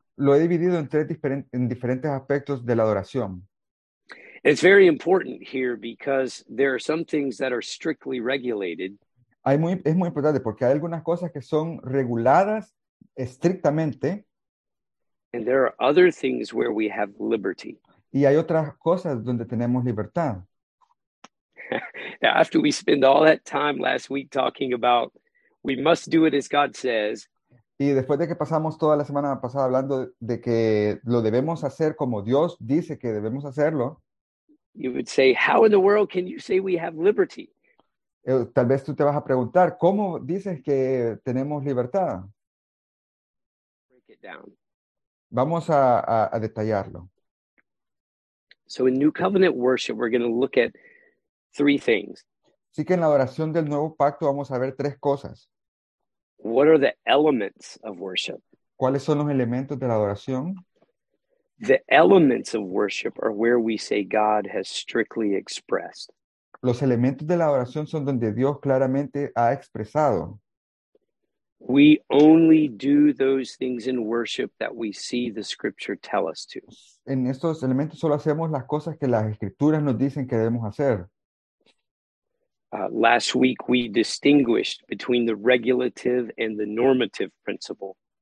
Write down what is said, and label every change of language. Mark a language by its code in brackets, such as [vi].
[es] Lo he dividido en tres diferentes aspectos de la adoración. [en] It's very important here because there are some things that are strictly regulated. [es] Es muy importante porque hay algunas cosas que son reguladas estrictamente. [en] And there are other things where we have liberty. [es] Y hay otras cosas donde tenemos libertad. [en] Now, after we spend all that time last week talking about we must do it as God says. [es] Y después de que pasamos toda la semana pasada hablando de que lo debemos hacer como Dios dice que debemos hacerlo. [en] You would say, how in the world can you say we have liberty? [es] Tal vez tú te vas a preguntar, ¿cómo dices que tenemos libertad? [en] Break it down. [es] Vamos a detallarlo. [en] So in New Covenant worship, we're going to look at three things. [es] Así que en la adoración del nuevo pacto vamos a ver tres cosas. [en] What are the elements of worship? [es] ¿Cuáles son los elementos de la adoración? [en] The elements of worship are where we say God has strictly expressed. [es] Los elementos de la adoración son donde Dios claramente ha expresado. [en] We only do those things in worship that we see the scripture tell us to. [es] En estos elementos solo hacemos las cosas que las escrituras nos dicen que debemos hacer. [en] Last week we distinguished between the regulative and the normative principle.